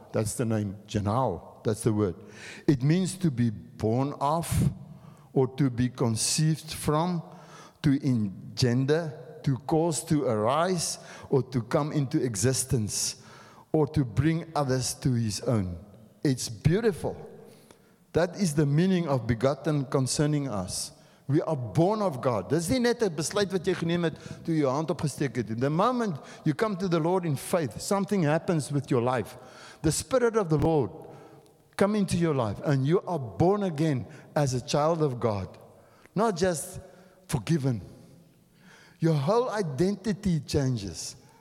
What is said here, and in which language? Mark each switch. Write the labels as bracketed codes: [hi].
[en] That's the name, genao. That's the word. It means to be born of or to be conceived from, to engender, to cause to arise or to come into existence or to bring others to his own. It's beautiful. That is the meaning of begotten concerning us. We are born of God. [af] Dis nie net 'n besluit wat jy geneem het toe jy jou hand opgesteek het. [en] The moment you come to the Lord in faith, something happens with your life. The Spirit of the Lord come into your life and you are born again as a child of God. Not just forgiven. Your whole identity changes.